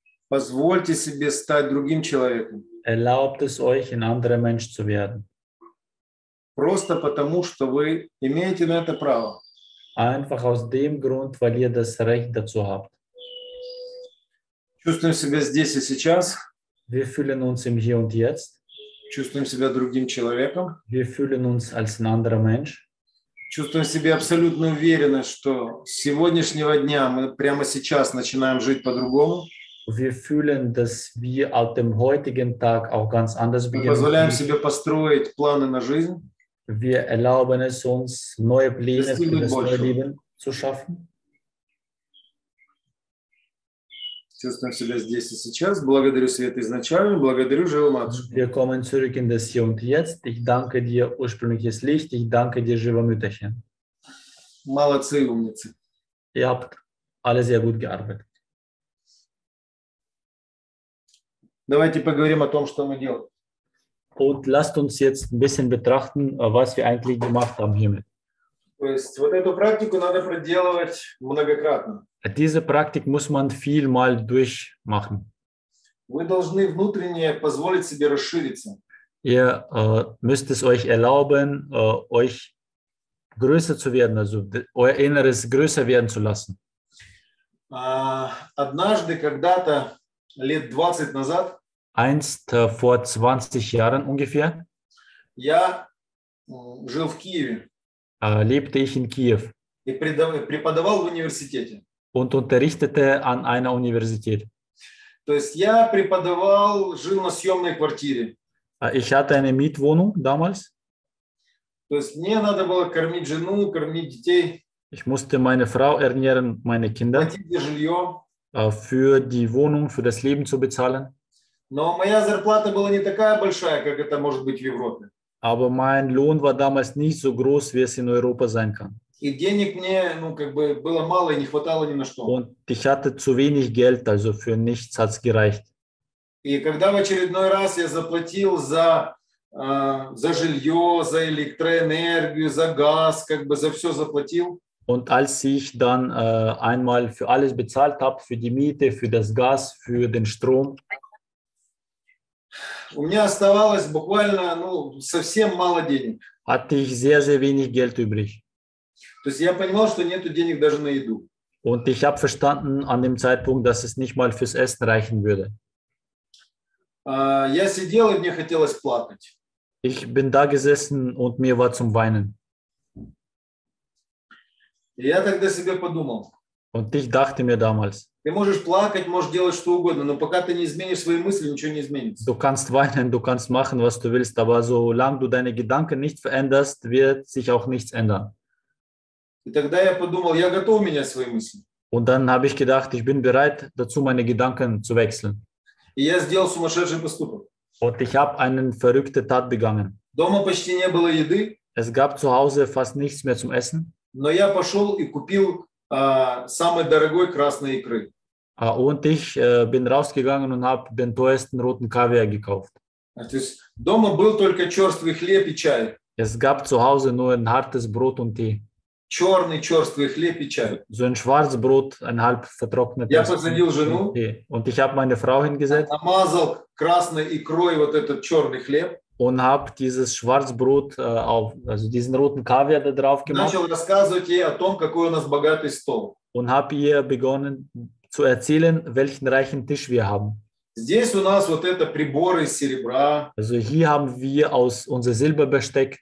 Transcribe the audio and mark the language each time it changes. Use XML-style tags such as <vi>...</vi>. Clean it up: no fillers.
<ru>Позвольте себе стать другим человеком.</ru> <de>Erlaubt es euch, ein anderer Mensch zu werden.</de> <ru>Просто потому, что вы имеете на это право.</ru> <de>Einfach aus dem Grund, weil ihr das Recht dazu habt.</de> <ru>Чувствуем себя здесь и сейчас.</ru> <de>Wir fühlen uns im Hier und Jetzt.</de> <ru>Чувствуем себя другим человеком.</ru> <de>Wir fühlen uns als ein anderer Mensch.</de> <ru>Чувствуем себя абсолютно уверенно, что с сегодняшнего дня мы прямо сейчас начинаем жить по-другому.</ru> <de>Wir fühlen, dass wir ab dem heutigen Tag auch ganz anders beginnen. Wir</de> <ru>позволяем себе построить планы на жизнь.</ru> <de>Wir erlauben es uns, neue Pläne für das neue Leben zu schaffen.</de> <ru>Чувствуем себя здесь и сейчас. Благодарю свет изначально. Благодарю живую матушку.</ru> <de>Wir kommen zurück in das Hier und Jetzt. Ich danke dir ursprüngliches Licht. Ich danke dir,</de> <ru>живо</ru> <de>Mütterchen.</de> <ru>Молодцы, умницы.</ru> <de>Ihr habt alle sehr gut gearbeitet.</de> <ru>Давайте поговорим о том, что мы делаем.</ru> <de>Und lasst uns jetzt ein bisschen betrachten, was wir eigentlich gemacht haben hiermit.</de> <ru>То есть вот эту практику надо проделывать многократно.</ru> <de>Diese Praktik muss man vielmal durchmachen.</de> <ru>Вы должны внутренне позволить себе расшириться.</ru> <de>Ihr müsst es euch erlauben, euch größer zu werden, also euer Inneres größer werden zu lassen.</de> <ru>Однажды, когда-то, лет 20 назад,</ru> <de>einst vor 20 Jahren ungefähr,</de> <ru>я жил в Киеве.</ru> <de>Lebte ich in Kiew.</de> <ru>И преподавал в университете.</ru> <de>Und unterrichtete an einer Universität.</de> <ru>То есть я преподавал, жил на съемной квартире.</ru> <de>Ich hatte eine Mietwohnung damals.</de> <ru>То есть мне надо было кормить жену, кормить детей.</ru> <de>Ich musste meine Frau ernähren, meine Kinder.</de> <ru>Платить за жилье.</ru> <de>Für die Wohnung, für das Leben zu bezahlen.</de> <ru>Но моя зарплата была не такая большая, как это может быть в Европе.</ru> <de>Aber mein Lohn war damals nicht so groß, wie es in Europa sein kann.</de> <ru>И денег мне, ну, как бы, было мало и не хватало ни на что.</ru> <de>Und ich hatte zu wenig Geld, also für nichts hat's gereicht.</de> <ru>И когда в очередной раз я заплатил за жилье, за электроэнергию, за газ, как бы за все заплатил.</ru> <de>Und als ich dann einmal für alles bezahlt habe, für die Miete, für das Gas, für den Strom.</de> <ru>У меня оставалось буквально, ну, совсем мало денег.</ru> <de>Hatte ich sehr, sehr wenig Geld übrig.</de> <ru>То есть я понимал, что нету денег даже на еду.</ru> <de>Und ich habe verstanden an dem Zeitpunkt, dass es nicht mal fürs Essen reichen würde.</de> <ru>Я сидел, и мне хотелось плакать.</ru> <de>Ich bin da gesessen und mir war zum Weinen.</de> <ru>И я тогда себе подумал.</ru> <de>Und ich dachte mir damals.</de> <ru>Ты можешь плакать, можешь делать что угодно, но пока ты не изменишь свои мысли, ничего не изменится.</ru> <de>Du kannst weinen, du kannst machen, was du willst, aber solange du deine Gedanken nicht veränderst, wird sich auch nichts ändern.</de> <ru>И тогда я подумал, я готов менять свои мысли.</ru> <de>Und dann habe ich gedacht, ich bin bereit dazu, meine Gedanken zu wechseln.</de> <ru>И я сделал сумасшедший поступок.</ru> <de>Und ich habe eine verrückte Tat begangen.</de> <ru>Дома почти не было еды.</ru> <de>Es gab zu Hause fast nichts mehr zum Essen.</de> <ru>Но я пошел и купил самой дорогой красной икры.</ru> <de>Und ich bin rausgegangen und habe den teuersten roten Kaviar gekauft.</de> <ru>То есть дома был только черствый хлеб и чай.</ru> <de>Es gab zu Hause nur ein hartes Brot und Tee.</de> <ru>Черный черствый хлеб и чай.</ru> <de>So ein Schwarzbrot, ein halb vertrocknetes.</de> <ru>Я посадил жену.</ru> <de>Und ich habe meine Frau hingesetzt.</de> <ru>Намазал красной икрой вот этот черный хлеб.</ru> <de>Und habe dieses Schwarzbrot auf, also diesen roten Kaviar da drauf gemacht.</de> <ru>Начал рассказывать ей о том, какой у нас богатый стол.</ru> <de>Und habe ihr begonnen zu erzählen, welchen reichen Tisch wir haben.</de> <ru>Здесь у нас вот это приборы из серебра.</ru> <de>Also hier haben wir aus unser Silberbesteck.</de>